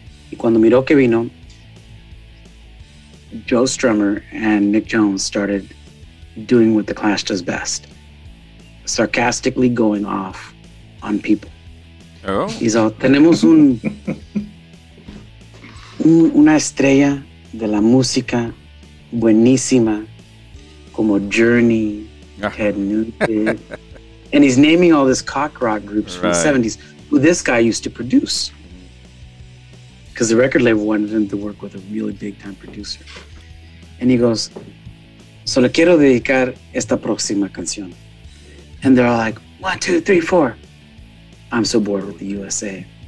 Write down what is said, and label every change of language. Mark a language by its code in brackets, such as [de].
[es] Y cuando miró que vino, [en] Joe Strummer and Mick Jones started doing what the Clash does best, sarcastically going off on people. Oh. [es] Hizo, tenemos una estrella de la música buenísima como Journey, Ted Nugent. [en] And he's naming all these cock rock groups from the 70s who this guy used to produce, because the record label wanted him to work with a really big time producer. And he goes, [es] solo quiero dedicar esta próxima canción. [en] And they're all like, 1, 2, 3, 4. I'm so bored with the USA.